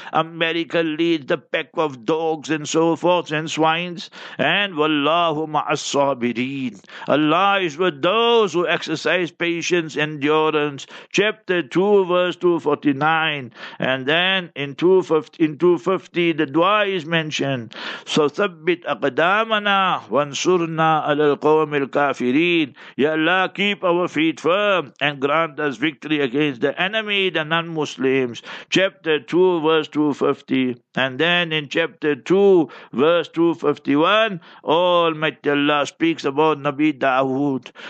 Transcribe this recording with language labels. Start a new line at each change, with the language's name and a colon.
English: America leads the pack of dogs and so forth and swines. And
Arabic: wallahu ma'as-sabirin,
English: Allah is with those who exercise patience, endurance. Chapter 2, verse 249. And then in 250, the dua is mentioned.
Arabic: So ثبت أقدامنا وانصرنا على القوم الكافرين.
English: Ya Allah, keep our feet firm and grant us victory against the enemy, the non-Muslims. Chapter 2, verse 250. And then in chapter 2, verse 251, Almighty Allah speaks about Nabi Dawood.